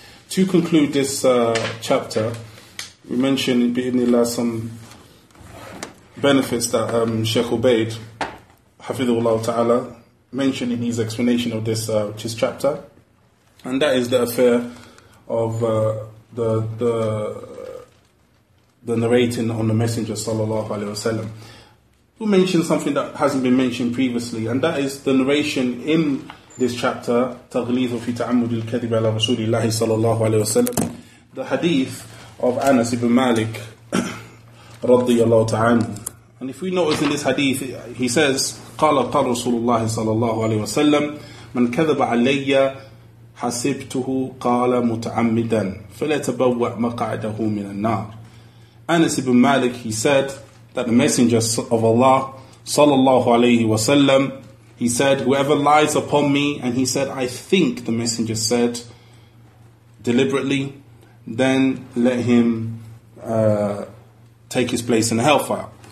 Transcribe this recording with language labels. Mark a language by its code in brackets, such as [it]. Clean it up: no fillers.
[en] To conclude this chapter, we mentioned bi'idhnillah some benefits that Sheikh Ubaid hafidhullah ta'ala mentioned in his explanation of this which is chapter, and that is the affair of the narrating on the Messenger sallallahu alaihi wasallam. We mentioned something that hasn't been mentioned previously, and that is the narration in this chapter, [ar] تغليظ في تعمد الكذب على رسول الله صلى الله عليه وسلم, [en] the hadith of Anas ibn Malik رضي الله تعالى. And if we notice in this hadith, he says, [ar] قال قال رسول الله صلى الله عليه وسلم من كذب علي حسبته قال متعمدا فليتبوأ مقعده من النار. [en] Anas ibn Malik, he said that the Messenger of Allah صلى الله عليه وسلم, he said, whoever lies upon me, and he said, I think the Messenger said, deliberately, then let him take his place in the hellfire.